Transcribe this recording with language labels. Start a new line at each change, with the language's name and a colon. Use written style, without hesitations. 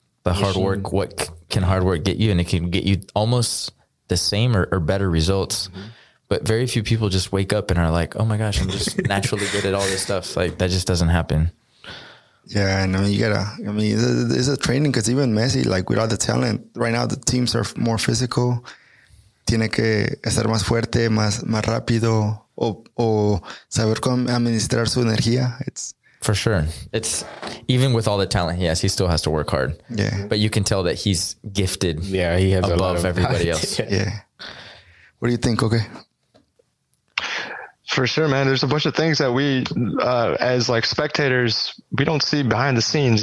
English: The hard work, what can hard work get you? And it can get you almost the same or better results. Mm-hmm. But very few people just wake up and are like, oh my gosh, I'm just naturally good at all this stuff. Like that just doesn't happen. Yeah, and I mean, it's a training because even Messi, like with all the talent, right now the teams are more physical.
Spanish: Tiene que estar más fuerte, más rápido, o saber cómo administrar su energía.
English: It's for sure. It's even with all the talent he has, he still has to work hard. Yeah, but you can tell that he's gifted. Yeah, he has above a lot of everybody else. Yeah. What do you think? Okay. For sure, man. There's a bunch of things that we, as like spectators, we don't see behind the scenes.